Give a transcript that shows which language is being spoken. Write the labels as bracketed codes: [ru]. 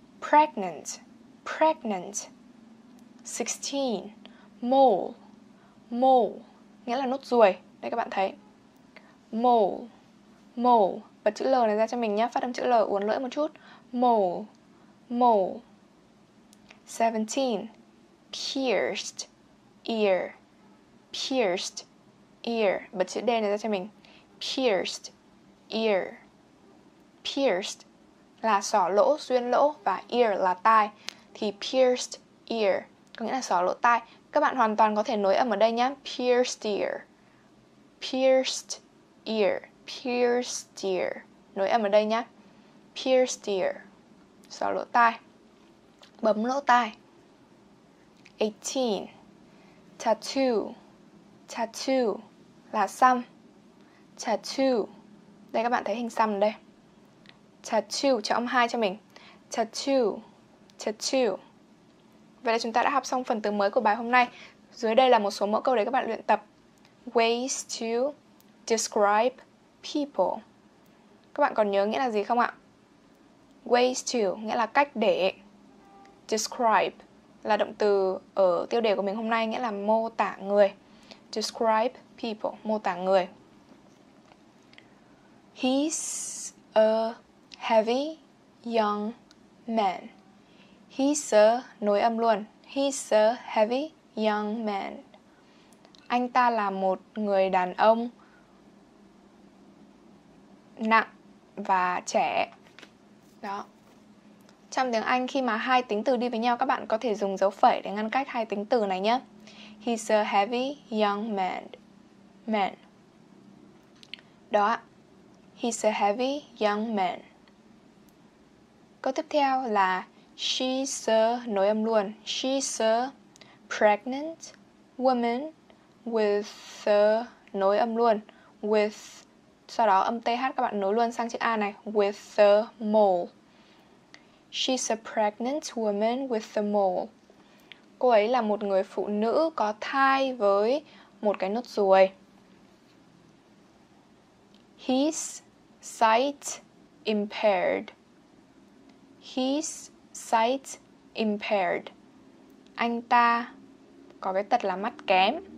[en] pregnant, pregnant. 16, mole, mole, [vi] nghĩa là nốt ruồi. Đây các bạn thấy, mole, mole. Bật chữ L này ra cho mình nhé, phát âm chữ L uốn lưỡi một chút. [en] Mole, mole. 17, pierced, ear, pierced, ear. [vi] Bật chữ D này ra cho mình, [en] pierced, ear. [vi] Pierced là xỏ lỗ, xuyên lỗ, và ear là tai, thì pierced ear có nghĩa là xỏ lỗ tai. Các bạn hoàn toàn có thể nối âm ở đây nhé, pierced ear, pierced ear, pierced ear, nối âm ở đây nhé, pierced ear, xỏ lỗ tai, bấm lỗ tai. [en] 18, tattoo, tattoo [vi] là xăm, [en] tattoo. [vi] Đây các bạn thấy hình xăm đây, tattoo, cho âm 2 cho mình, tattoo, tattoo. Vậy là chúng ta đã học xong phần từ mới của bài hôm nay. Dưới đây là một số mẫu câu để các bạn luyện tập. [en] Ways to describe people. [vi] Các bạn còn nhớ nghĩa là gì không ạ? [en] Ways to [vi] nghĩa là cách để. Describe là động từ ở tiêu đề của mình hôm nay, nghĩa là mô tả người. [en] Describe people, [vi] mô tả người. [en] He's a heavy young man. He's a, [vi] nối âm luôn, [en] he's a heavy young man. [vi] Anh ta là một người đàn ông nặng và trẻ. Đó. Trong tiếng Anh khi mà hai tính từ đi với nhau, các bạn có thể dùng dấu phẩy để ngăn cách hai tính từ này nhé. [en] He's a heavy young man. Man. Đó. He's a heavy young man. [vi] Câu tiếp theo là she's a, nối âm luôn, [en] she's a pregnant woman with a, [vi] nối âm luôn, with, sau đó âm TH các bạn nối luôn sang chữ A này, [en] with a mole. She's a pregnant woman with a mole. [vi] Cô ấy là một người phụ nữ có thai với một cái nốt ruồi. [en] He's sight impaired. He's sight impaired. [vi] Anh ta có cái tật là mắt kém.